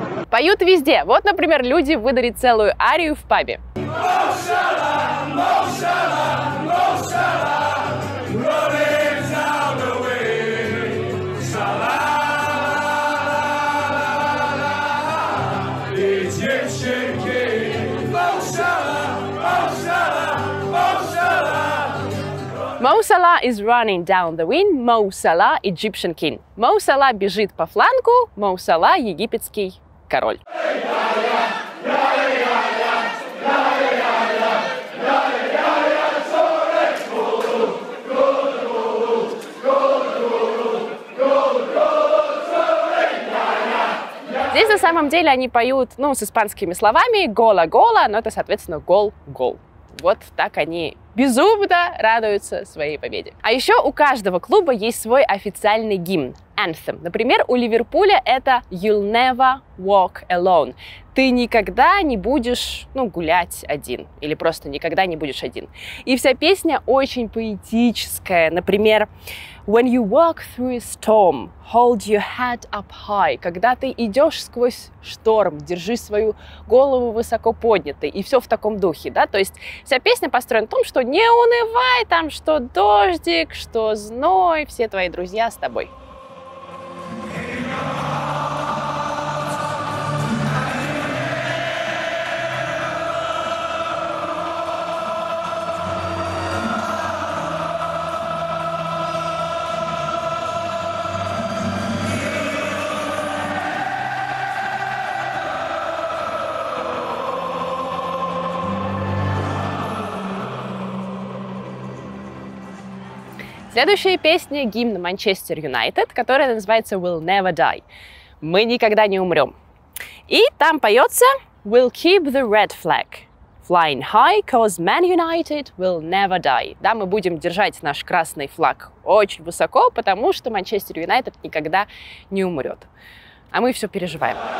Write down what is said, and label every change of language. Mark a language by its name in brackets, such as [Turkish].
[Russian] Поют везде. Вот, например, люди выдали целую арию в пабе. [English] Mo Salah is running down the wing, Mo Salah, Egyptian king. [Russian] Mo Salah бежит по флангу, Mo Salah, египетский король. Здесь на самом деле они поют, ну, с испанскими словами, гола-гола, но это, соответственно, гол-гол. Вот так они безумно радуются своей победе. А еще у каждого клуба есть свой официальный гимн, anthem. Например, у Ливерпуля это You'll never walk alone. Ты никогда не будешь, ну, гулять один. Или просто никогда не будешь один. И вся песня очень поэтическая. Например, [English] When you walk through a storm, hold your head up high. [Russian] Когда ты идешь сквозь шторм, держи свою голову высоко поднятой. И все в таком духе, да? То есть вся песня построена в том, что не унывай там, что дождик, что зной, все твои друзья с тобой. Следующая песня – гимн Манчестер Юнайтед, которая называется «We'll never die» – «Мы никогда не умрем». И там поется [English] «We'll keep the red flag flying high, cause Man United will never die». [Russian] Да, мы будем держать наш красный флаг очень высоко, потому что Манчестер Юнайтед никогда не умрет. А мы все переживаем.